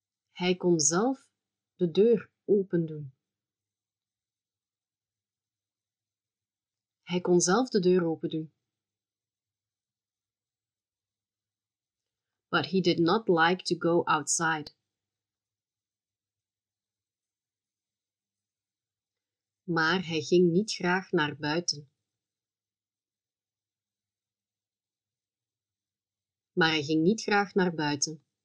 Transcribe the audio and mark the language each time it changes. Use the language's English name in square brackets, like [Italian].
[Dutch] Hij kon zelf de deur open doen. Hij kon zelf de deur open doen. [English] But he did not like to go outside. [Dutch] Maar hij ging niet graag naar buiten. Maar hij ging niet graag naar buiten.